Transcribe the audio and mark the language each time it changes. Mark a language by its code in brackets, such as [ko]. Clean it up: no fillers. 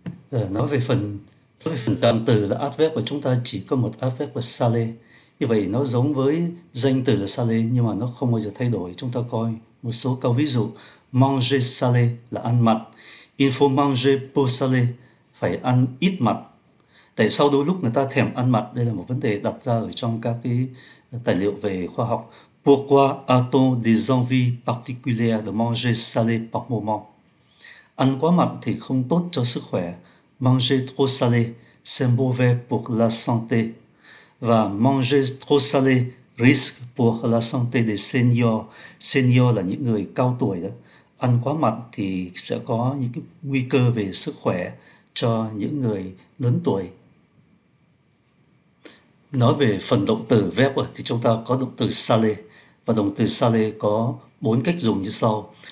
[vi] Nói về phần trạng từ là adverb, và chúng ta chỉ có một adverb là salé, như vậy nó giống với danh từ là salé nhưng mà nó không bao giờ thay đổi. Chúng ta coi một số câu ví dụ. [fr] Manger salé [vi] là ăn mặn. [fr] Il faut manger peu salé, [vi] phải ăn ít mặn. Tại sao đôi lúc người ta thèm ăn mặn? Đây là một vấn đề đặt ra ở trong các cái tài liệu về khoa học. [fr] Pourquoi a-t-on des envies particulières de manger salé par moment? [vi] Ăn quá mặn thì không tốt cho sức khỏe. [fr] Manger trop salé, c'est mauvais pour la santé. Và manger trop salé, risque pour la santé des seniors. [vi] Senior là những người cao tuổi đó. Ăn quá mặn thì sẽ có những cái nguy cơ về sức khỏe cho những người lớn tuổi. Nói về phần động từ verb thì chúng ta có động từ salé, và động từ salé có bốn cách dùng như sau.